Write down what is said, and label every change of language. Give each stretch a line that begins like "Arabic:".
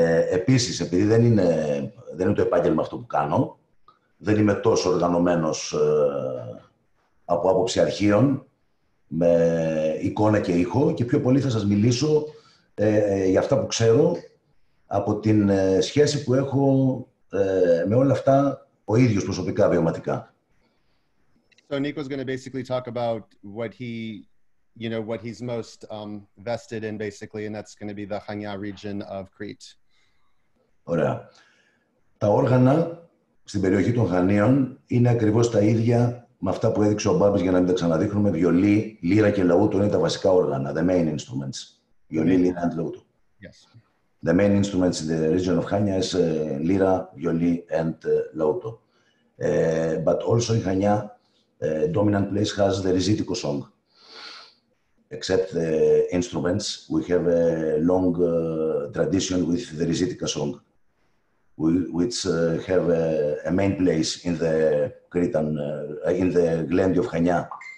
Greek: Επίσης, επειδή δεν είναι το επάγγελμα αυτό που κάνω, δεν είμαι τόσο οργανωμένος από άποψη αρχείων, με εικόνα και ήχο, και πιο πολύ θα σας μιλήσω για αυτά που ξέρω από την σχέση που έχω με όλα αυτά ο ίδιος προσωπικά, βιωματικά.
English: So Nico's going to basically talk about what he, you know, what he's most vested in, basically, and that's going to be the Chania region of Crete.
Greek: Ωραία. Τα όργανα στην περιοχή των Χανίων είναι ακριβώς τα ίδια με αυτά που έδειξε ο Μπάμπης, για να μην τα ξαναδείχνουμε. Βιολί, λύρα και λαούτο είναι τα βασικά όργανα,
English: the main instruments.
Greek: Βιολί, λύρα και λαούτο.
English: Yes. The main instruments in the region of Chania is lira, violi and lauto. But also in Chania, dominant place has the Rizitiko song. Except the instruments, we have a long tradition with the Rizitika song, which have a main place in the Cretan, in the Glendi of Chania.